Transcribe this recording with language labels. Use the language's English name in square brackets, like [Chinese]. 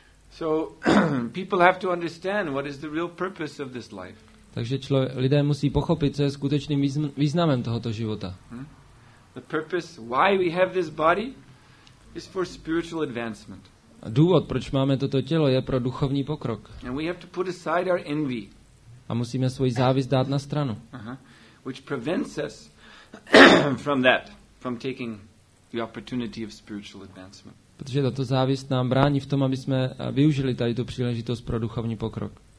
[English] So people have to understand what is the real purpose of this life. [Czech] Takže lidé musí pochopit, co je skutečným významem tohoto života. [English] The purpose why we have this body is for spiritual advancement. [Czech] Důvod, proč máme toto tělo, je pro duchovní pokrok. [English] And we have to put aside our envy. [Czech] A musíme svoji závist dát na stranu. [English] Which prevents us from that, from taking the opportunity of spiritual advancement. [Czech] Protože tato závist nám brání v tom, aby jsme využili tady tu příležitost pro duchovní pokrok.